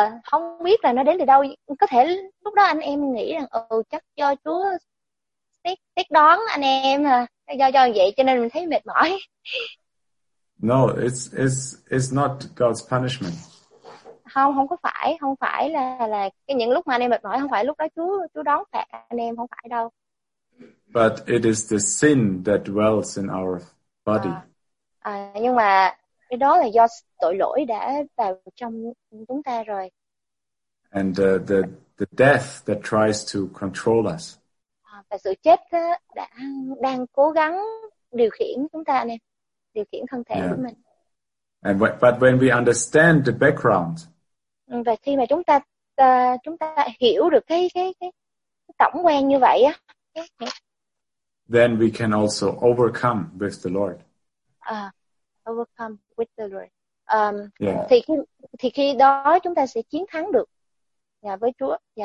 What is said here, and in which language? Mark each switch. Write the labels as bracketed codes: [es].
[vi] Không biết là nó đến từ đâu. Có thể lúc đó anh em nghĩ rằng, chắc do Chúa xét đoán anh em, do vậy cho nên mình thấy mệt mỏi. [en] No, it's not God's punishment. [vi] Không phải là cái những lúc mà anh em mệt mỏi, không phải lúc đó Chúa đón phạt anh em, không phải đâu. [en] But it is the sin that dwells in our body. [vi] Nhưng mà cái đó là do tội lỗi đã vào trong chúng ta rồi. [en] And the death that tries to control us. [vi] Và sự chết đó đang cố gắng điều khiển chúng ta anh em. Điều khiển thân thể của mình. [en] But when we understand the background, [vi] và khi mà chúng ta hiểu được cái tổng quan như vậy á, [en] then we can also overcome with the Lord. Overcome with the Lord. [vi] Thì khi đó chúng ta sẽ chiến thắng được với Chúa.